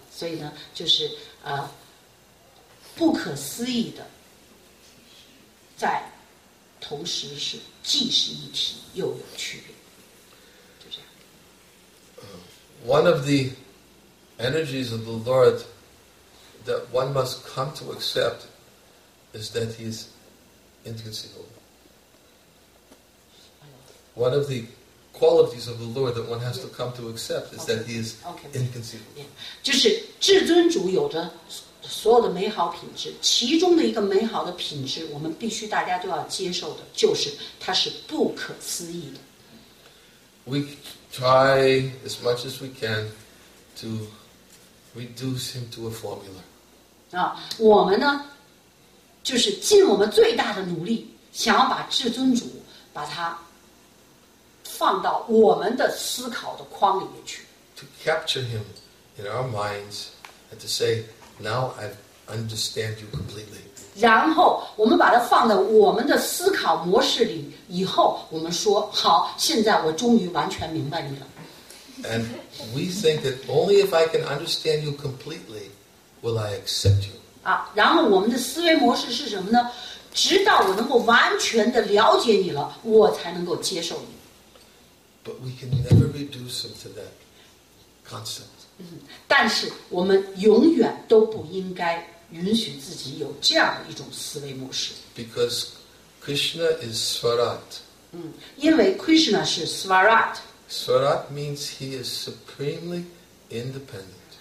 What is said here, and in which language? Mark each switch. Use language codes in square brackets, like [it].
[zh] 所以呢，就是不可思议的，在同时是既是一体又有区别，就这样。 [en] One of the energies of the Lord that one must come to accept is that He is inconceivable. One of the qualities of the Lord that one has to come to accept is that He is inconceivable. Yeah. [zh] 就是至尊主有着所有的美好品质，其中的一个美好的品质，我们必须大家都要接受的，就是它是不可思议的。 [en] We try as much as we can to reduce Him to a formula. [zh] 我们呢，就是尽我们最大的努力，想要把至尊主把它。放到我们的思考的框里面去。 [en] To capture him in our minds and to say, now I understand you completely. [zh] 然后我们把它放在我们的思考模式里，以后我们说，好，现在我终于完全明白你了。 [en] And we think that only if I can understand you completely will I accept you. [zh] 然后我们的思维模式是什么呢？直到我能够完全的了解你了，我才能够接受你。 [en] But we can never reduce him to that concept. [zh] 但是我们永远都不应该允许自己有这样一种思维模式。 [en] Because Krishna is Swarat. [zh] 因为 Krishna 是 Swarat. [en] Swarat means he is supremely independent.